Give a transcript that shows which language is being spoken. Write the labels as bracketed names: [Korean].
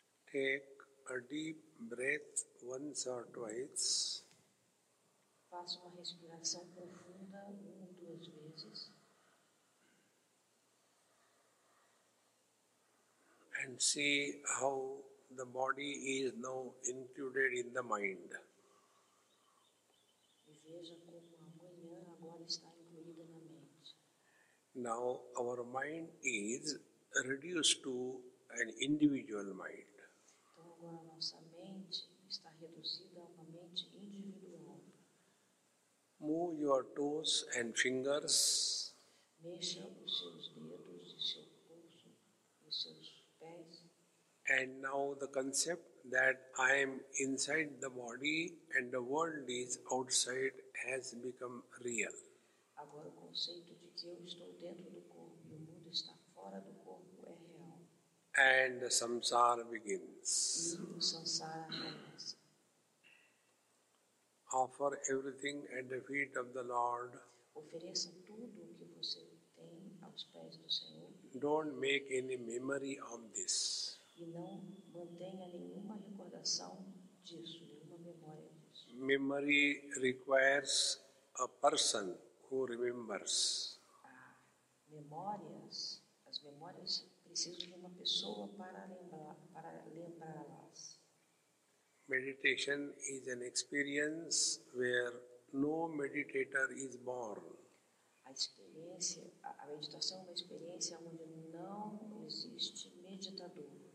[English] Take a deep breath once or twice. [Portuguese] Faça uma respiração profunda uma ou duas vezes. [English] And see how the body is now included in the mind. [Portuguese] Veja como a manhã agora está incluída na mente. [English] Now our mind is reduced to an individual mind. [Portuguese] Então agora a nossa mente está reduzida a uma mente individual. [English] Move your toes and fingers. [Portuguese] Mexa os seus dedos e seu pulso e seus pés. [English] And now the concept that I am inside the body and the world is outside has become real. [Portuguese] Agora o conceito de que eu estou dentro do corpo e o mundo está fora do corpo é real. [English] And the samsara begins. [Portuguese] E o samsara começa. [English] Offer everything at the feet of the Lord. [Portuguese] Ofereça tudo o que você tem aos pés do Senhor. [English] Don't make any memory of this. [Portuguese] E não mantenha nenhuma recordação disso, nenhuma memória disso. [English] Memory requires a person who remembers. [Portuguese] Memórias, as memórias precisam de uma pessoa para lembrá-las. [English] Meditation is an experience where no meditator is born. [Portuguese] A meditação é uma experiência onde não existe meditador.